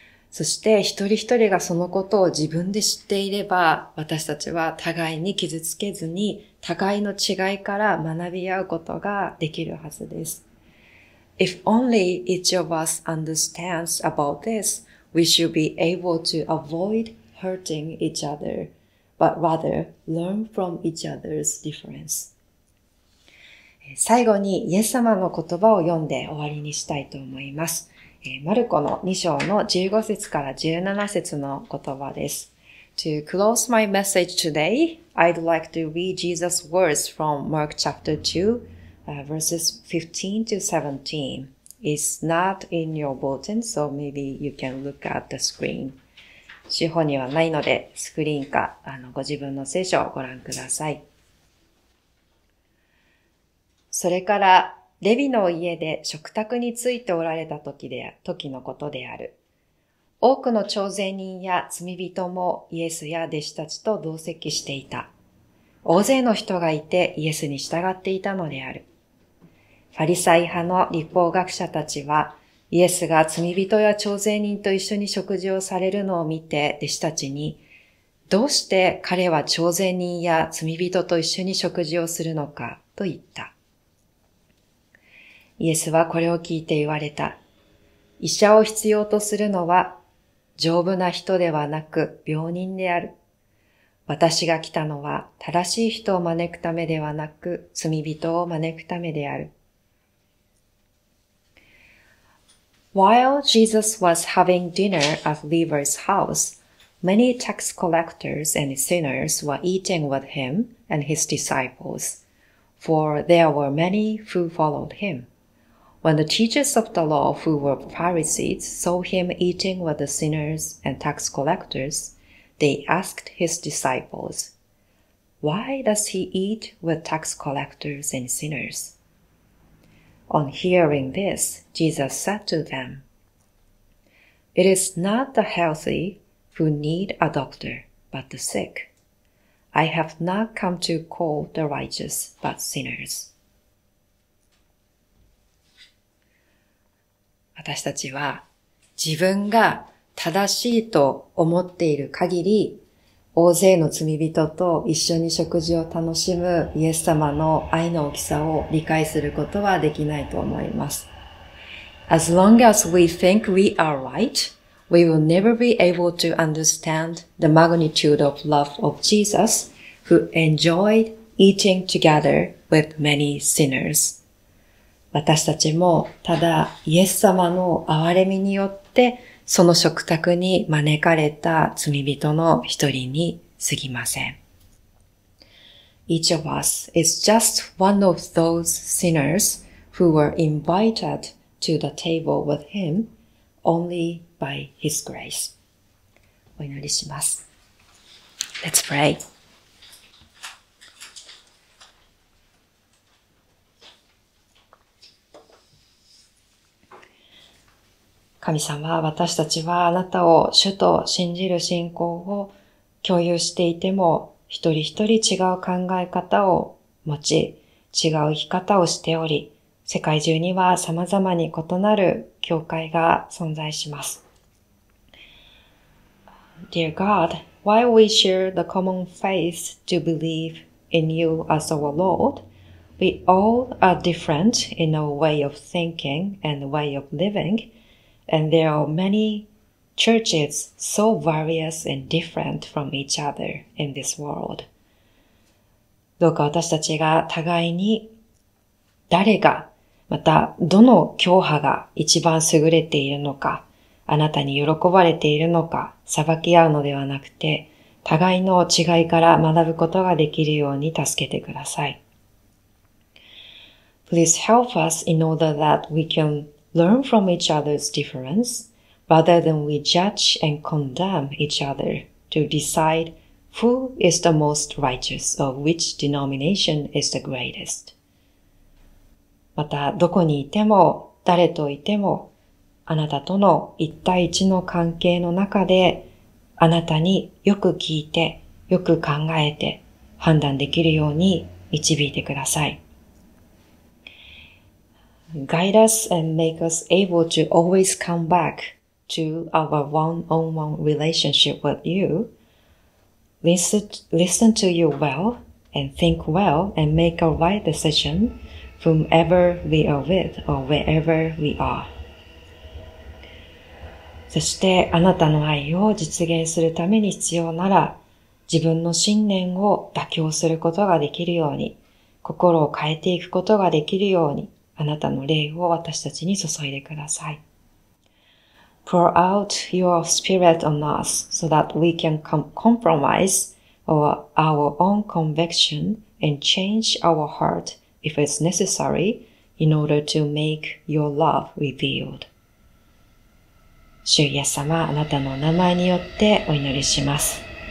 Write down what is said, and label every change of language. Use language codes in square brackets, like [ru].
[ja] そして一人一人がそのことを自分で知っていれば、私たちは互いに傷つけずに、互いの違いから学び合うことができるはずです。 [en] If only each of us understands about this, we should be able to avoid hurting each other, but rather learn from each other's difference. [ja] 最後にイエス様の言葉を読んで終わりにしたいと思います。マルコの2章の15節から17節の言葉です。 [en] To close my message today, I'd like to read Jesus' words from Mark chapter 2. Verses 15 to 17 is not in your bulletin, so maybe you can look at the screen. [ja] 手法にはないので、スクリーンかご自分の聖書をご覧ください。それから、レビの家で食卓についておられた時のことである。多くの徴税人や罪人もイエスや弟子たちと同席していた。大勢の人がいてイエスに従っていたのである。ファリサイ派の律法学者たちは、イエスが罪人や徴税人と一緒に食事をされるのを見て、弟子たちに、どうして彼は徴税人や罪人と一緒に食事をするのか、と言った。イエスはこれを聞いて言われた。医者を必要とするのは、丈夫な人ではなく病人である。私が来たのは、正しい人を招くためではなく、罪人を招くためである。 [en] While Jesus was having dinner at Levi's house, many tax collectors and sinners were eating with him and his disciples, for there were many who followed him. When the teachers of the law who were Pharisees saw him eating with the sinners and tax collectors, they asked his disciples, "Why does he eat with tax collectors and sinners?" On hearing this, Jesus said to them, It is not the healthy who need a doctor, but the sick. I have not come to call the righteous, but sinners. [ja] 私たちは自分が正しいと思っている限り、大勢の罪人と一緒に食事を楽しむイエス様の愛の大きさを理解することはできないと思います。 [en] As long as we think we are right, we will never be able to understand the magnitude of love of Jesus who enjoyed eating together with many sinners. [ja] 私たちもただイエス様の憐れみによってその食卓に招かれた罪人の一人に過ぎません。 [en] Each of us is just one of those sinners who were invited to the table with him only by his grace. [ja] お祈りします。 [en] Let's pray. [ja] 神様、私たちはあなたを主と信じる信仰を共有していても、一人一人違う考え方を持ち、違う生き方をしており、世界中には様々に異なる教会が存在します。 [en] Dear God, while we share the common faith to believe in you as our Lord, we all are different in our way of thinking and way of living,And there are many churches so various and different from each other in this world. [ja] どうか私たちが互いに誰が、またどの教派が一番優れているのか、あなたに喜ばれているのか、裁き合うのではなくて、互いの違いから学ぶことができるように助けてください。 [en] Please help us in order that we can learn from each other's difference, rather than we judge and condemn each other to decide who is the most righteous or which denomination is the greatest. [ja] また、どこにいても、誰といても、あなたとの一対一の関係の中で、あなたによく聞いて、よく考えて、判断できるように導いてください。 [en] Guide us and make us able to always come back to our one-on-one relationship with you. Listen to you well and think well and make a right decision whomever we are with or wherever we are. [ja] そして、あなたの愛を実現するために必要なら、自分の信念を妥協することができるように、心を変えていくことができるように、あなたの霊を私たちに注いでください。 [en] Pour out your spirit on us so that we can compromise our own conviction and change our heart if it's necessary in order to make your love revealed. [ja] 主イエス様、あなたの名前によってお祈りします。